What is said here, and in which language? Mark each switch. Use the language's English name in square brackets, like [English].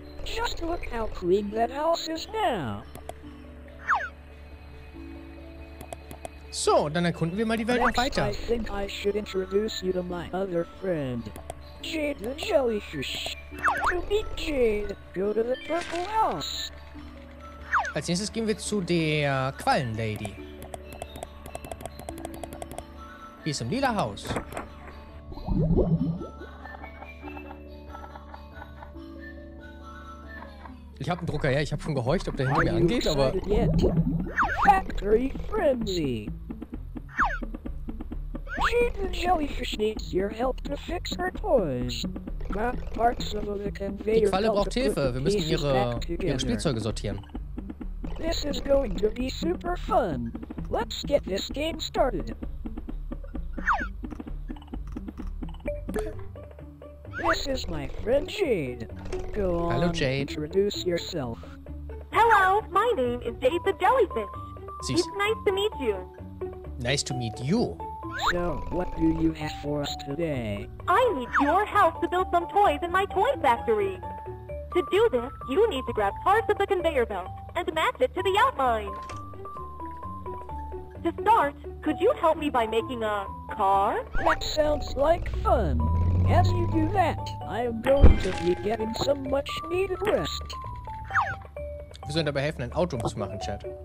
[English] Just look how clean that house is now. [German] So, dann erkunden wir mal die Welt noch weiter. [English] I think I should introduce you to my other friend, Jade the Jellyfish. To meet Jade, go to the purple house. [German] Als nächstes gehen wir zu der Quallenlady. Wie ist im lila Haus? Ich hab einen Drucker her, ich hab schon gehorcht, ob der hinter mir angeht, aber... [English] Factory Frenzy! Cheat the jellyfish needs your help to fix her toys. Map parts of the conveyor. [German] Die Qualle braucht Hilfe, wir müssen ihre Spielzeuge sortieren. [English] This is going to be super fun. Let's get this game started. This is my friend Jade. Go on. Hello, Jade. Introduce yourself. Hello, my name is Jade the Jellyfish. [German] Süß. [English] It's nice to meet you. Nice to meet you. So, what do you have for us today? I need your help to build some toys in my toy factory. To do this, you need to grab parts of the conveyor belt and match it to the outline. To start, could you help me by making a car? That sounds like fun. As you do that, I am going to be getting some much-needed rest. [German] Wir sollen dabei helfen, ein Auto zu machen, Chat.